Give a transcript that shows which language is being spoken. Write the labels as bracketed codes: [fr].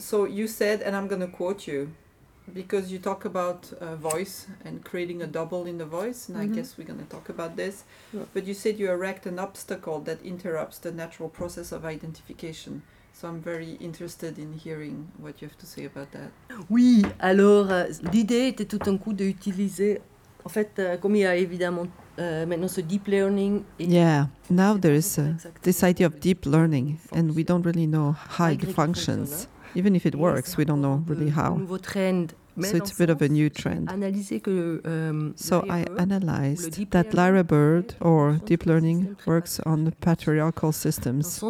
[en] So you said, and I'm going to quote you, because you talk about voice and creating a double in the voice, and I guess we're going to talk about this. Yeah. But you said you erect an obstacle that interrupts the natural process of identification. So I'm very interested in hearing what you have to say about that. [fr] Oui, alors l'idée était tout un coup d'utiliser, en fait, comme il y a évidemment maintenant ce deep learning. [en] Et yeah, now there is this idea of deep learning, and we don't really know how it functions. Even if it works, we don't know really how. So it's a bit of a new trend. So I analyzed that Lyra Bird or deep learning works on the patriarchal systems.